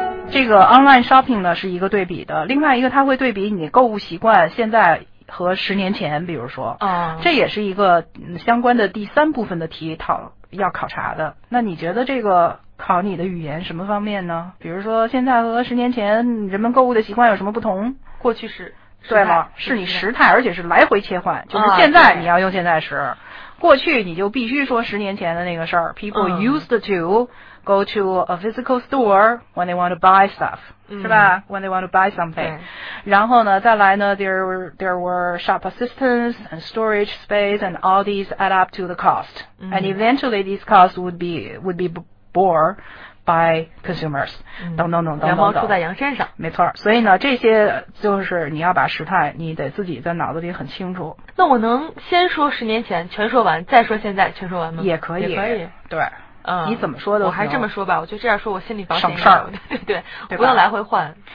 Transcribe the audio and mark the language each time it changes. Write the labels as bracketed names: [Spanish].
[Chinese] 这个 online shopping 呢是一个对比的，另外一个它会对比你购物习惯现在和十年前，比如说、这也是一个相关的第三部分的题讨要考察的。那你觉得这个考你的语言什么方面呢，比如说现在和十年前人们购物的习惯有什么不同，过去式，对吗，是你时态，而且是来回切换，就是现在你要用现在时、过去你就必须说十年前的那个事儿。 [English] People used to go to a physical store when they want to buy stuff,、 [Chinese] 是吧 [English] ?when they want to buy something.、 [Chinese] 然后呢再来呢 [English] there were shop assistants and storage space and all these add up to the cost.、And eventually these costs would be borne by consumers.、 [Chinese] 等。羊毛出在羊身上。没错。所以呢这些就是你要把时态你得自己在脑子里很清楚。那我能先说十年前全说完再说现在全说完吗？也可以。也可以。对。你怎么说的，我还这么说吧，我就这样说，我心里保险省事儿。对，不用来回换。